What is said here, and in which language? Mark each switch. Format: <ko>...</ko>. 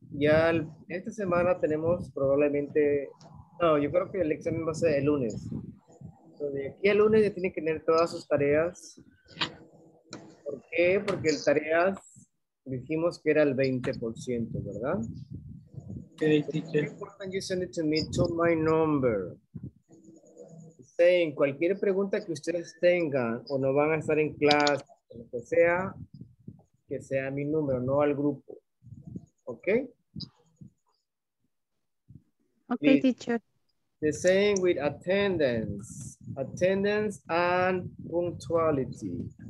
<es>Ya esta semana tenemos probablemente... No, yo creo que el examen va a ser el lunes. Entonces, aquí el lunes ya tienen que tener todas sus tareas. ¿Por qué? Porque el tareas dijimos que era el 20%, ¿verdad?</es> <en>Okay, teacher. It's important you send it to me to my number.</en> <es>Saying, cualquier pregunta que ustedes tengan o no van a estar en clase, lo que sea mi número, no al grupo. ¿Ok?</es> <en>Okay, teacher. The same with attendance and punctuality.</en>